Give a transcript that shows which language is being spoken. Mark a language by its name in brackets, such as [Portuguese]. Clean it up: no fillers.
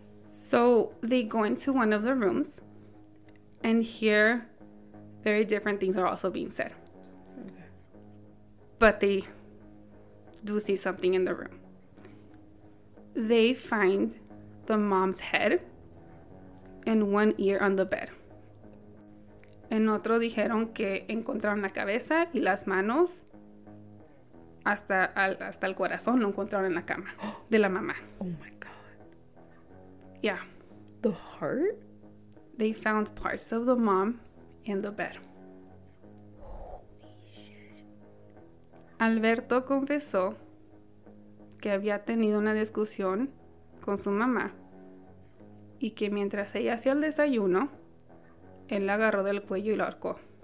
[English] So, they go into one of the rooms, and here, very different things are also being said. Okay. But they do see something in the room. They find the mom's head and one ear on the bed. [Spanish] En otro dijeron que encontraron la cabeza y las manos hasta el corazón lo encontraron en la cama de la mamá. [English] Oh my God. Yeah. The heart? They found parts of the mom in the bed. Holy shit. [Spanish] Alberto confesó que había tenido una discusión con su mamá y que mientras ella hacía el desayuno, él la agarró del cuello y la ahorcó.